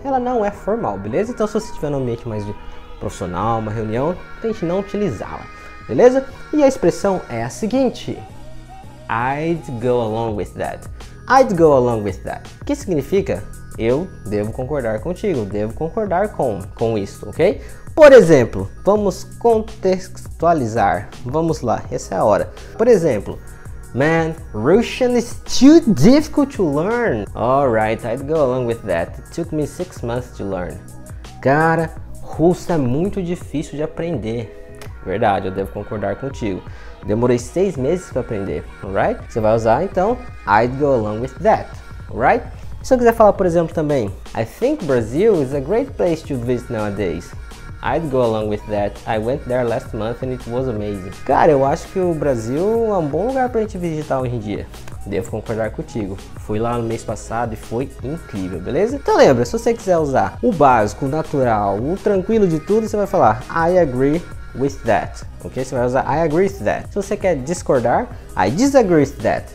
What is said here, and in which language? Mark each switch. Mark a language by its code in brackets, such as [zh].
[pt] Ela não é formal, beleza? Então, se você estiver num ambiente mais profissional, uma reunião, tente não utilizá-la, beleza? E a expressão é a seguinte: [en] I'd go along with that. I'd go along with that. [pt] O que significa? Eu devo concordar contigo, devo concordar com isso, ok? Por exemplo, vamos contextualizar. Vamos lá, essa é a hora. Por exemplo, [en] man, Russian is too difficult to learn. Alright, I'd go along with that. It took me 6 months to learn. [pt] Cara, russo é muito difícil de aprender. Verdade, eu devo concordar contigo. Demorei 6 meses para aprender, alright? Você vai usar, então, [en] I'd go along with that, alright? [pt] Se eu quiser falar, por exemplo, também, [en] I think Brazil is a great place to visit nowadays. I'd go along with that. I went there last month and it was amazing. [pt] Cara, eu acho que o Brasil é um bom lugar pra gente visitar hoje em dia. Devo concordar contigo. Fui lá no mês passado e foi incrível, beleza? Então lembra, se você quiser usar o básico, o natural, o tranquilo de tudo, você vai falar, [en] I agree with that, [pt] ok? Você vai usar [en] I agree with that. [pt] Se você quer discordar, [en] I disagree with that.